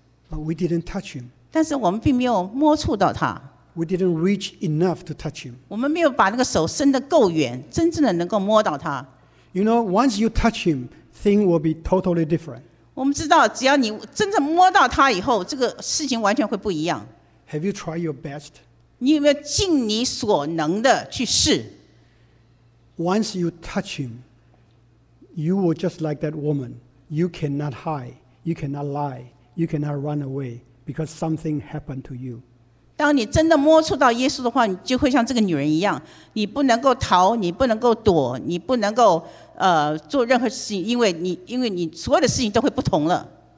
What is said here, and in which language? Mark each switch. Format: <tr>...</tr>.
<en>But we didn't touch him.</en> <zh>但是我们并没有摸触到他</zh> <en>We didn't reach enough to touch him.</en> <zh>我们没有把那个手伸得够远，真正的能够摸到他。</zh> <en>You know, once you touch him, things will be totally different.</en> <zh>我们知道只要你真正摸到他以后，这个事情完全会不一样。</zh> <en>Have you tried your best?</en> <zh>你有没有尽你所能的去试？</zh> <en>Once you touch him, you will just like that woman. you cannot hide, you cannot lie, you cannot run away because something happened to you.</en> <zh>当你真的摸触到耶稣的话，你就会像这个女人一样，你不能够逃，你不能够躲，你不能够做任何事情，因为你所有的事情都会不同了。</zh>